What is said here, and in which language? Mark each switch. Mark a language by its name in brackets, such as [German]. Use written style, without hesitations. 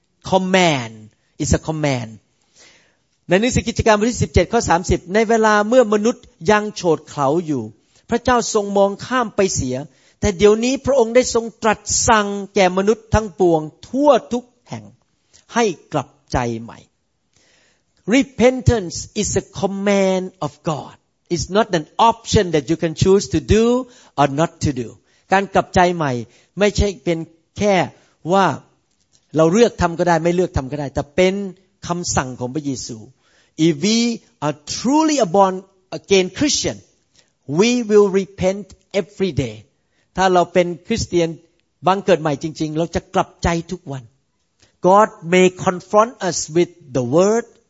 [English] Command is a command. [Thai] ในหนังสือกิจการบทที่17ข้อ30ในเวลาเมื่อมนุษย์ยังโฉดเขลาอยู่พระเจ้าทรงมองข้ามไปเสียแต่เดี๋ยวนี้พระองค์ได้ทรงตรัสสั่งแก่มนุษย์ทั้งปวงทั่วทุกแห่งให้กลับใจใหม่ [English] Repentance is a command of God. It's not an option that you can choose to do or not to do. [Thai] การกลับใจใหม่ไม่ใช่เป็นแค่ว่าเราเลือกทำก็ได้ไม่เลือกทำก็ได้แต่เป็นคำสั่งของพระเยซู [English] If we are truly a born again Christian, we will repent every day. [Thai] ถ้าเราเป็นคริสเตียนบังเกิดใหม่จริงๆเราจะกลับใจทุกวัน [English] God may confront us with the word.